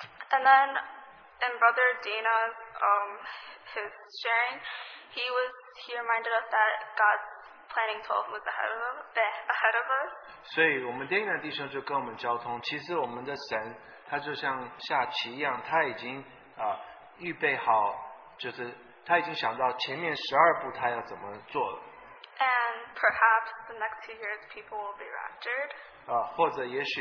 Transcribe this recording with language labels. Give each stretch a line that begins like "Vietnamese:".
English: And then in Brother Dana's his sharing, he reminded us that God's planning 12 moves ahead of us.
Chinese: 所以我们 Dana 弟兄就跟我们交通，其实我们的神他就像下棋一样，他已经想到前面十二步他要怎么做了。
English: And perhaps the next 2 years, people will be raptured.